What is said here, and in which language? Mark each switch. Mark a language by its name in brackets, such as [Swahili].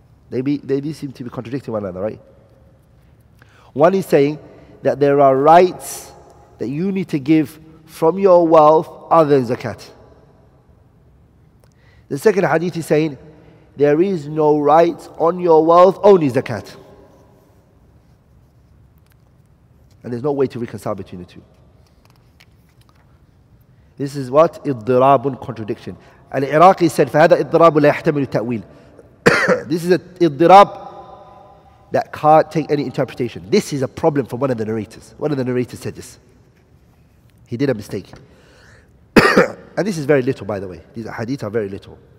[English] They seem to be contradicting one another, right? One is saying that there are rights that you need to give from your wealth other than zakat. The second hadith is saying there is no rights on your wealth, only zakat. And there's no way to reconcile between the two. This is what? Idrabun, contradiction. Al-Iraqi said, [Arabic] فَهَذَا إِضْرَابُ لَا يَحْتَمِلُ التَّأْوِيلِ. [English] This is an idrab that can't take any interpretation. This is a problem for one of the narrators. One of the narrators said this. He did a mistake. And this is very little, by the way. These hadith are very little.